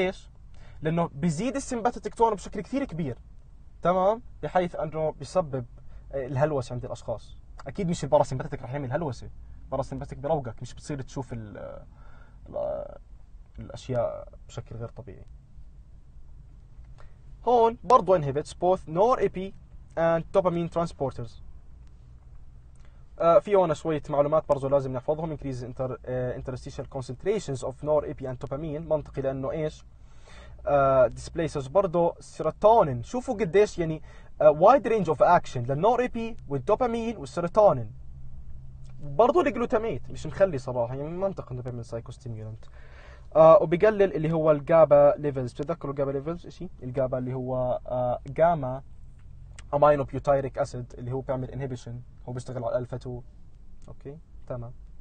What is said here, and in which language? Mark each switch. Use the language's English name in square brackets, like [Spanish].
[Arabic] ليش؟ لأنه بيزيد السيمباتيك تون بشكل كثير كبير، تمام؟ بحيث أنه بيسبب الهلوسة عند الأشخاص. أكيد مش الباراسيمباتيك رح يعمل هلوسة، باراسيمباتيك بروقك، مش بتصير تشوف الأشياء بشكل غير طبيعي. هون برضو [English] inhibits both nor epi and dopamine transporters. [Arabic] في هون شوية معلومات برضو لازم نحفظهم. [English] increase interstitial concentrations of nor epi and dopamine، [Arabic] منطقي لأنه إيش؟ [English] displaces برضو serotonin. [Arabic] شوفوا قديش يعني [English] wide range of action [Arabic] للnor epi والdopamine والserotonin، برضو الجلوتاميت مش مخلي صراحة، يعني منطق إنه بيعمل psychostimulant. وبيقلل اللي هو الجابا ليفلز. تذكروا الجابا ليفلز شيء؟ الجابا اللي هو جاما امينو بيوتيريك اسيد، اللي هو بيعمل انهيبيشن، هو بيشتغل على الفا 2. اوكي تمام.